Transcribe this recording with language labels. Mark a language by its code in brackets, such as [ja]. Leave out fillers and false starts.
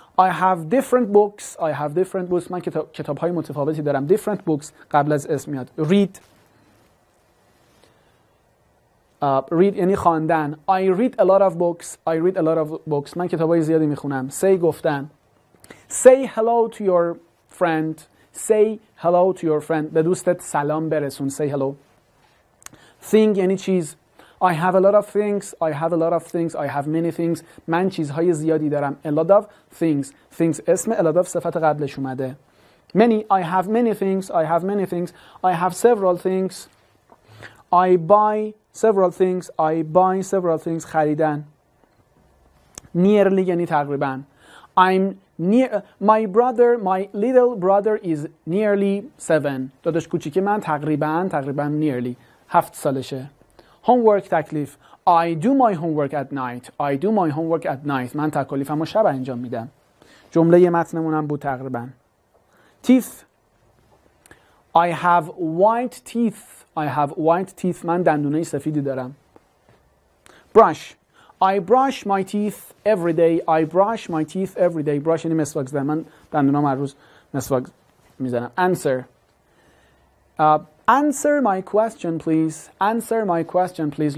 [en] I have different books. I have different books. [fa] من کتاب های متفاوتی دارم. Different books قبل از اسم میاد. [en] Read. [fa] Read یعنی خواندن. [en] I read a lot of books. I read a lot of books. [fa] من کتاب های زیادی میخونم. Say گفتن. [en] Say hello to your friend. Say hello to your friend. [fa] به دوستت سلام برسون. [en] Say hello. [fa] Thing یعنی چیز. [en] I have a lot of things. I have a lot of things. I have many things. [fa] من چیزهای زیادی دارم. [en] A lot of things. [fa] Things اسم a lot of صفت قبلش اومده. [en] Many. I have many things. I have many things. I have several things. I buy several things. I buy several things. خریدن. [fa] Nearly یعنی تقریبا. [en] I'm near. My brother, my little brother is nearly 7. [fa] داداش کوچیکی من تقریبا nearly 7 سالشه. Homework تکلیف. [en] I do my homework at night. I do my homework at night. [fa] من تکلیفمو شب انجام میدم. جمله متنمون هم بود تقریبا. [en] Teeth. I have white teeth. I have white teeth. [fa] من دندونه سفیدی دارم. [en] Brush. I brush my teeth every day. I brush my teeth every day. [fa] Brush یعنی مسواک زدن. من دندونام هر روز مسواک میزنم. [en] Answer. Answer my question, please. Answer my question, please.